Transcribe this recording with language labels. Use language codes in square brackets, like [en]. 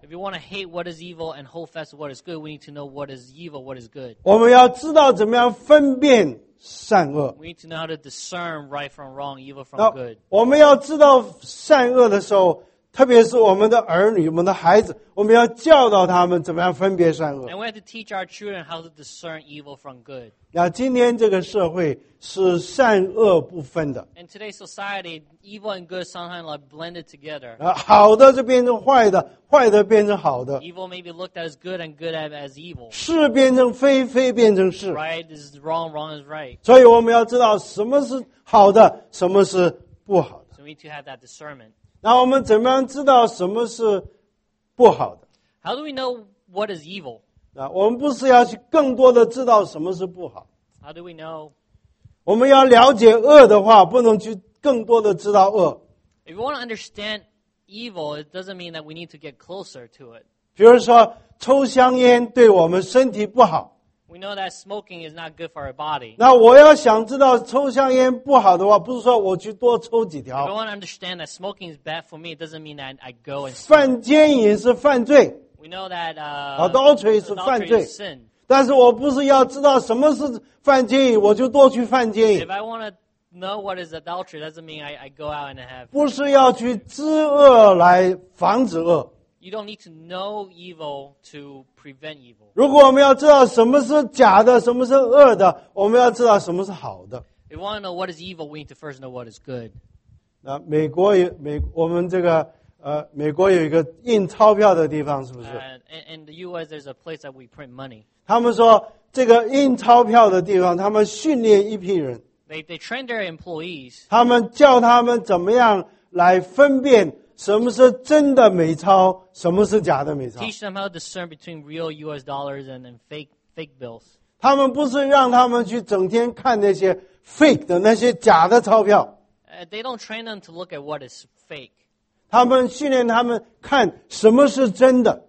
[en] If you want to hate what is evil and hold fast to what is good, we need to know what is evil, what is good. [zh] 我们要知道怎么样分辨善恶。 [en] We need to know how to discern right from wrong, evil from good. [zh] 我们要知道善恶的时候。特别是我们的儿女，我们的孩子，我们要教导他们怎么样分别善恶。 [en] And we have to teach our children how to discern evil from good. [zh] 那今天这个社会是善恶不分的。 [en] And today's society, evil and good somehow are blended together. [zh] 好的就变成坏的，坏的变成好的。 [en] Evil may be looked at as good and good as evil. [zh] 是变成非，非变成是。 [en] Right is wrong, wrong is right. [zh] 所以我们要知道什么是好的，什么是不好的。 [en] So we need to have that discernment. [zh] 那我们怎么样知道什么是不好的 [en] ？How do we know what is evil？ [zh] 那我们不是要去更多的知道什么是不好 [en] ？How do we know？ [zh] 我们要了解恶的话，不能去更多的知道恶。 [en] If you want to understand evil, it doesn't mean that we need to get closer to it. [zh] 比如说，抽香烟对我们身体不好。 [en] We know that smoking is not good for our body. [zh] 那我要想知道抽香烟不好的话，不是说我去多抽几条。 [en] If I want to understand that smoking is bad for me, it doesn't mean that I go and smoke. [zh] 犯奸淫是犯罪。 [en] We know that adultery is [zh] 犯罪 [en] is sin. [zh] 但是我不是要知道什么是犯罪，我就多去犯罪。 [en] If I want to know what is adultery, doesn't mean I go out and have. [zh] 不是要去知恶来防止恶。 [en] You don't need to know evil to prevent evil. [zh] 如果我们要知道什么是假的，什么是恶的，我们要知道什么是好的。 [en] If we want to know what is evil, we need to first know what is good. [zh] 那美国我们这个美国有一个印钞票的地方，是不是？ [en] In the U.S. there's a place that we print money. [zh] 他们说这个印钞票的地方，他们训练一批人。 [en] They train their employees. [zh] 他们教他们怎么样来分辨什么是真的美钞，什么是假的美钞。 [en] Teach them how to discern between real U.S. dollars and fake bills. [zh] 他们不是让他们去整天看那些 fake 的那些假的钞票。 [en] They don't train them to look at what is fake. [zh] 他们训练他们看什么是真的。